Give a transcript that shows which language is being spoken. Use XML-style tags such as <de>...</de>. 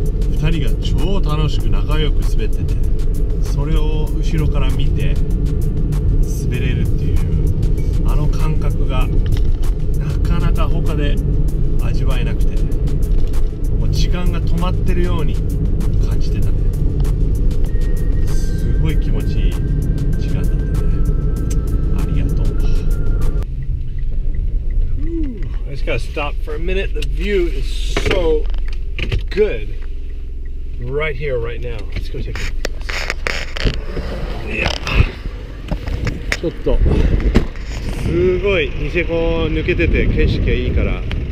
<ja>2人が超楽しく仲良く滑ってて、それを後ろから見て滑れるっていうあの感覚がなかなか他で味わえなくて、もう時間が止まってるように感じてたね。すごい気持ちいい時間だったね。ありがとう。</ja> <en>Ooh, I just gotta stop for a minute. The view is so good right here, right now. Let's go take a look. Yeah.</en> <ja>ちょっとすごいニセコ抜けてて景色いいから。</ja>